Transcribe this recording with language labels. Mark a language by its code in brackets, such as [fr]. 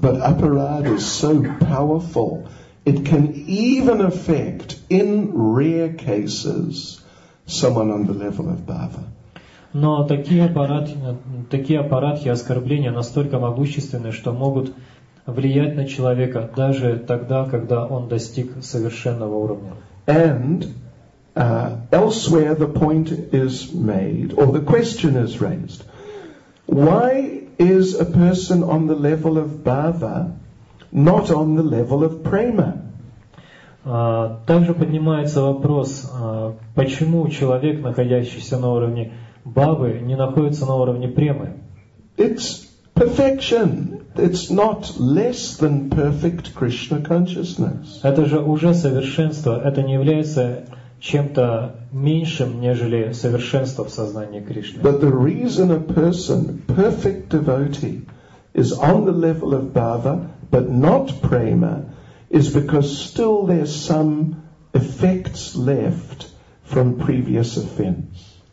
[en] But Aparad is so powerful It can even affect, in rare cases, someone on the level of Bhava. [ru] Но такие аппаратхи оскорбления настолько могущественны, что могут влиять на человека даже тогда, когда он достиг совершенного уровня. [en] And elsewhere the point is made, or the question is raised, why is a person on the level of Bhava not on the level of Prema? [ru] Также поднимается вопрос, почему человек, находящийся на уровне Бхавы, не находится на уровне премы. [en] It's perfection. It's not less than perfect Krishna consciousness. [ru] Это же уже совершенство. Это не является чем-то меньшим, нежели совершенство в сознании Кришны. [en] But the reason a person, perfect devotee, is on the level of Bhava, but not prema, is because still there's some effects left from previous offense.